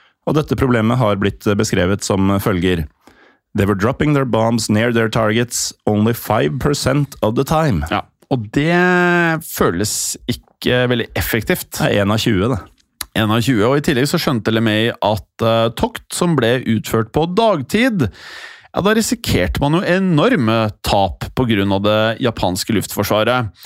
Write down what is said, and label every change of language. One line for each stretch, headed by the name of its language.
Norwegian: Og dette problemet har blitt beskrevet som følger.
English: They were dropping their bombs near their targets only 5% of the time.
Norwegian: Ja, og det føles ikke veldig effektivt. Det 1 av 20, da. 1 av 20, og i tillegg så skjønte LeMay at tokt som ble utført på dagtid, ja, da risikerte man jo enorme tap på grunn av det japanske luftforsvaret.